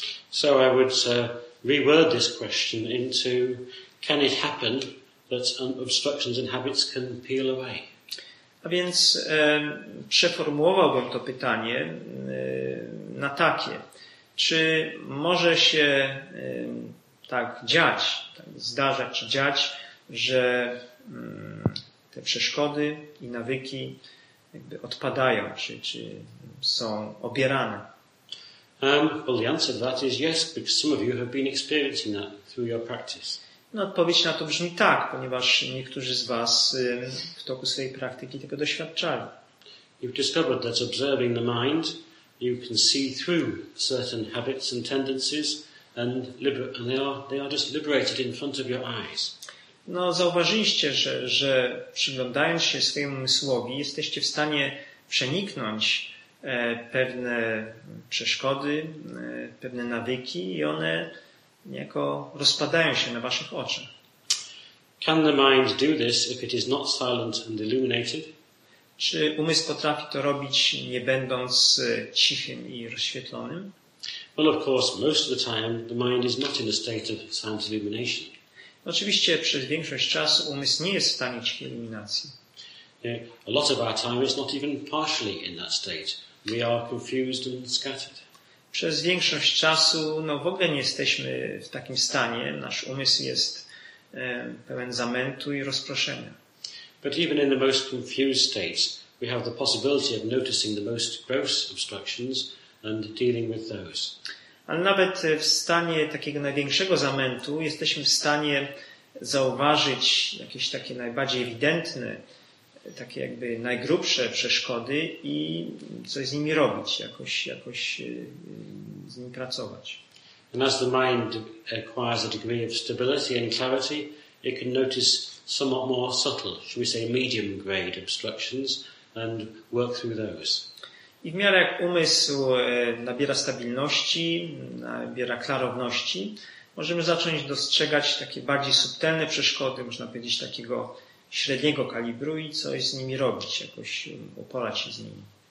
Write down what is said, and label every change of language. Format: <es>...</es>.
<en>So I would reword this question into: can it happen that obstructions and habits can peel away?</en> <pl>A więc przeformułowałbym to pytanie na takie: czy może się tak dziać, tak zdarzać czy dziać, że te przeszkody i nawyki jakby odpadają, czy są obierane?</pl> <en>Well, the answer to that is yes, because some of you have been experiencing that through your practice.</en> <pl>No, odpowiedź na to brzmi tak, ponieważ niektórzy z was w toku swojej praktyki tego doświadczali.</pl> <en>You've discovered that observing the mind, you can see through certain habits and tendencies, and they are just liberated in front of your eyes.</en> <pl>No, zauważyliście, że przyglądając się swojemu umysłowi, jesteście w stanie przeniknąć pewne przeszkody, pewne nawyki i one niejako rozpadają się na waszych oczach.</pl> <en>Can the mind do this if it is not silent and illuminated?</en> <pl>Czy umysł potrafi to robić, nie będąc cichym i rozświetlonym?</pl> <en>Well, of course, most of the time the mind is not in a state of silent illumination.</en> <pl>Oczywiście przez większość czasu umysł nie jest w stanie cichej iluminacji.</pl> <en>A lot of our time is not even partially in that state. We are confused and scattered.</en> <pl>Przez większość czasu no w ogóle nie jesteśmy w takim stanie. Nasz umysł jest pełen zamętu i rozproszenia.</pl> <en>But even in the most confused states, we have the possibility of noticing the most gross obstructions and dealing with those.</en> <pl>Ale nawet w stanie takiego największego zamętu jesteśmy w stanie zauważyć jakieś takie najbardziej ewidentne, takie jakby najgrubsze przeszkody i coś z nimi robić, jakoś z nimi pracować.</pl> <en>And as the mind acquires a degree of stability and clarity, it can notice somewhat more subtle, should we say, medium grade obstructions and work through those.</en> <pl>I w miarę jak umysł nabiera stabilności, nabiera klarowności, możemy zacząć dostrzegać takie bardziej subtelne przeszkody, można powiedzieć takiego średniego kalibru i coś z nimi robić, jakoś uporać się z nimi.</pl>